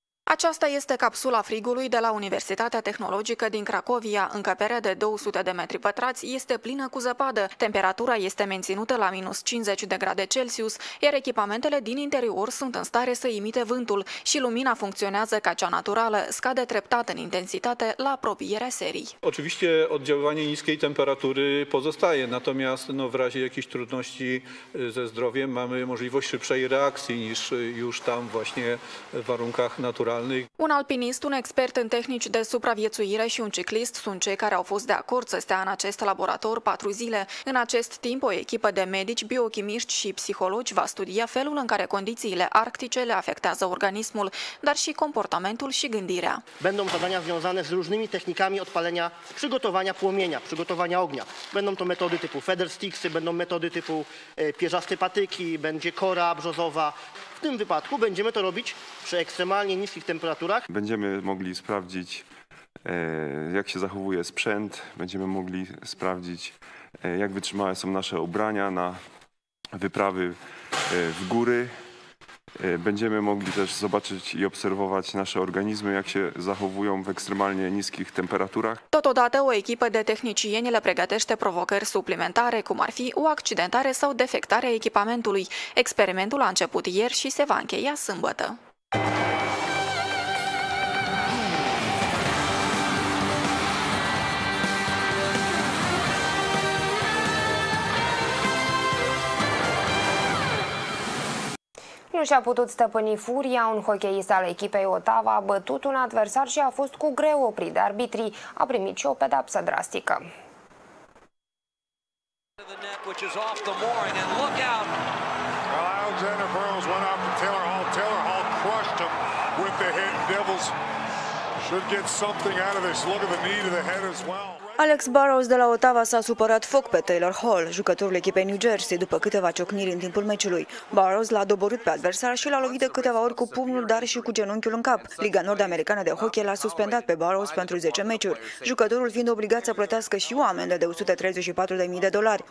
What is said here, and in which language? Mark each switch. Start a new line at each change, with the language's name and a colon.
Romanian: Aceasta este capsula frigului de la Universitatea Tehnologică din Cracovia. Încăperea de 200 de metri pătrați este plină cu zăpadă. Temperatura este menținută la minus 50 de grade Celsius, iar echipamentele din interior sunt în stare să imite vântul și lumina funcționează ca cea naturală, scade treptat în intensitate la apropierea serii.
Polish: Oczywiście oddziaływanie niskiej temperatury pozostaje, natomiast no, w razie jakichś trudności ze zdrowiem mamy możliwość szybszej reakcji niż już tam właśnie w warunkach naturalnych.
Romanian: Un alpinist, un expert în tehnici de supraviețuire și un ciclist sunt cei care au fost de acord să stea în acest laborator 4 zile. În acest timp, o echipă de medici, biochimiști și psihologi va studia felul în care condițiile arctice le afectează organismul, dar și comportamentul și gândirea.
Polish: Będą zadania związane z różnymi technikami odpalenia, przygotowania płomienia, przygotowania ognia. Będą to metody typu feather sticks, będą metody typu pierzaste patyki, będzie kora brzozowa. W tym wypadku będziemy to robić przy ekstremalnie niskich temperaturach. Będziemy mogli sprawdzić, jak się zachowuje sprzęt. Będziemy mogli sprawdzić, jak wytrzymałe są nasze ubrania na wyprawy w góry. Będziemy mogli też zobaczyć i obserwować nasze organizmy, jak się zachowują w ekstremalnie niskich temperaturach.
Romanian: Totodată o echipă de tehnicieni le pregătește provocări suplimentare, cum ar fi o accidentare sau defectarea echipamentului. Experimentul a început ieri și se va încheia sâmbătă. Nu și-a putut stăpâni furia, un hocheist al echipei Ottawa a bătut un adversar și a fost cu greu oprit de arbitrii. A primit și o pedapsă drastică.
English: which is off the mooring, and look out. Well, Alexander Burrows went out to Taylor Hall. Taylor Hall crushed him with the hit. Devils should get something out of this. Look at the knee to the head as well.
Romanian: Alex Burrows de la Ottawa s-a supărat foc pe Taylor Hall, jucătorul echipei New Jersey, după câteva ciocniri în timpul meciului. Burrows l-a doborât pe adversar și l-a lovit de câteva ori cu pumnul, dar și cu genunchiul în cap. Liga Nord-Americană de Hockey l-a suspendat pe Burrows pentru 10 meciuri, jucătorul fiind obligat să plătească și o amendă de $134,000.